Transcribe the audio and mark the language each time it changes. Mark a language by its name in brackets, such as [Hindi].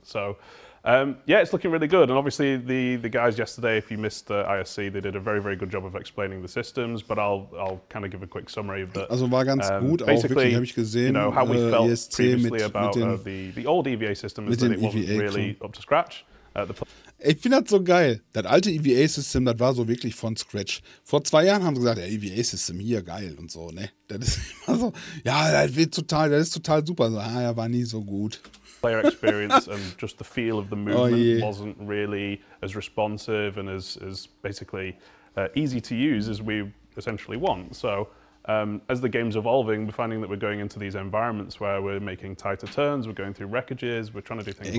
[English] So, it's looking really good. And obviously, the guys yesterday, if you missed the ISC, they did a very, very good job of explaining the systems. But I'll kind of give a quick summary of that. [German] Also, war ganz gut. [English] Basically, [German] auch wirklich, gesehen, [English] how we felt ESC previously about the old EVA system is that it wasn't really up to scratch. [German] Ich finde das so geil. Das alte EVA-System, das war so wirklich von Scratch. Vor 2 Jahren haben sie gesagt, ja, EVA-System hier, geil und so, ne? Das ist immer so, ja, das ist total super. So, ja, war nie so gut. [English] Player experience and just the feel of the movement wasn't really as responsive and as basically easy to use as we essentially want. So, as the game's evolving, we're finding that we're going into these environments where we're making tighter turns, we're going through wreckages, we're trying to do things